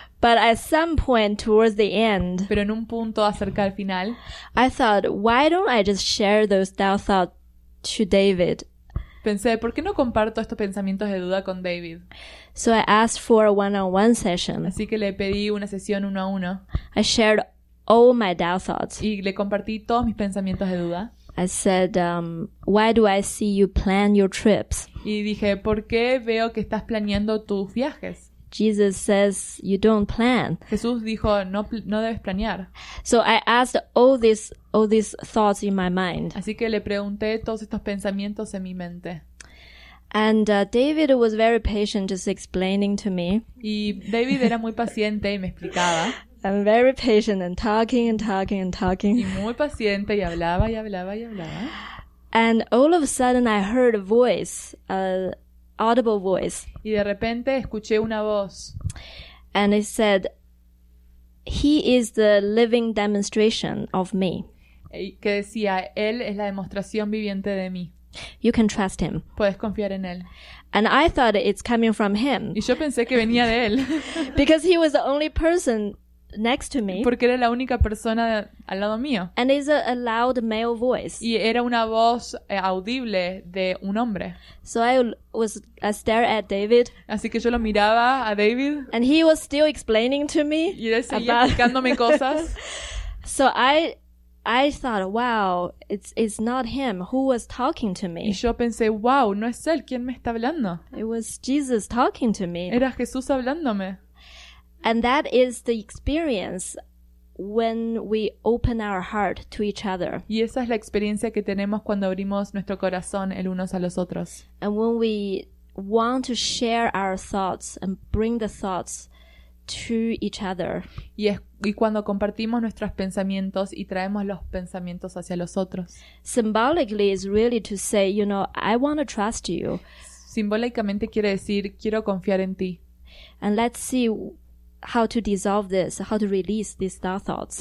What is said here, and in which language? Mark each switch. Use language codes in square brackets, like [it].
[en] But at some point towards the end, [es] pero en un punto acerca al final, [en] I thought, why don't I just share those doubt thoughts to David? [es] Pensé, ¿por qué no comparto estos pensamientos de duda con David? [en] So I asked for a one-on-one session. [es] Así que le pedí una sesión uno a uno. [en] I shared all my doubt thoughts. [es] Y le compartí todos mis pensamientos de duda. [en] I said, why do I see you plan your trips? [es] Y dije, ¿por qué veo que estás planeando tus viajes? [en] Jesus says you don't plan. [es] Jesús dijo no debes planear. [en] So I asked all these thoughts in my mind. [es] Así que le pregunté todos estos pensamientos en mi mente. [en] And David was very patient, just explaining to me. [es] Y David era muy paciente y me explicaba. [en] I'm very patient and talking and talking and talking. [es] Y muy paciente y hablaba y hablaba y hablaba. [en] And all of a sudden, I heard a voice. Audible voice. [es] Y de repente escuché una voz. [en] And it said, he is the living demonstration of me. [es] Que decía, él es la demostración viviente de mí. [en] You can trust him. [es] Puedes confiar en él. [en] And I thought it's coming from him. [es] Y yo pensé que venía de él. [en] Because he was the only person next to me. [es] Porque era la única persona al lado mío. [en] And it's a loud male voice. [es] Y era una voz audible de un hombre. [en] So I stared at David. [es] Así que yo lo miraba a David. [en] And he was still explaining to me. [es] Y él seguía explicándome cosas. [en] So I thought, wow, it's not him. Who was talking to me? [es] Y yo pensé, wow, no es él. ¿Quién me está hablando? [en] It was Jesus talking to me. [es] Era Jesús hablándome. [en] And that is the experience when we open our heart to each other. [es] Y esa es la experiencia que tenemos cuando abrimos nuestro corazón el unos a los otros. [en] And when we want to share our thoughts and bring the thoughts to each other. [es] Y cuando compartimos nuestros pensamientos y traemos los pensamientos hacia los otros. [en] Symbolically is really to say, you know, I want to trust you. [es] Simbólicamente quiere decir, quiero confiar en ti. [en] And let's see how to dissolve this, how to release these dark thoughts.